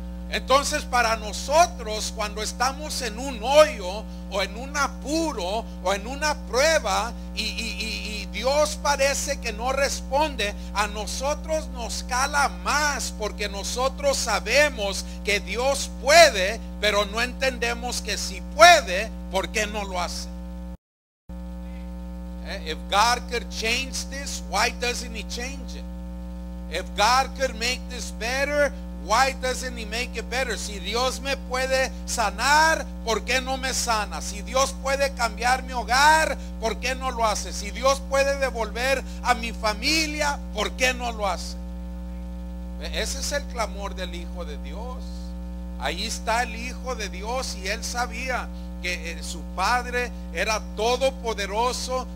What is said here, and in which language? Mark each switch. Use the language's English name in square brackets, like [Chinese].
[Spanish] Entonces, para nosotros, cuando estamos en un hoyo, o en un apuro, o en una prueba, y Dios parece que no responde, a nosotros nos cala más, porque nosotros sabemos que Dios puede, pero no entendemos que si puede, ¿por qué no lo hace? [English] If God could change this, why doesn't he change it? If God could make this better, why doesn't he make it better? [Spanish] Si Dios me puede sanar, ¿por qué no me sana? Si Dios puede cambiar mi hogar, ¿por qué no lo hace? Si Dios puede devolver a mi familia, ¿por qué no lo hace? Ese es el clamor del Hijo de Dios. Ahí está el Hijo de Dios y él sabía que su padre era todopoderoso.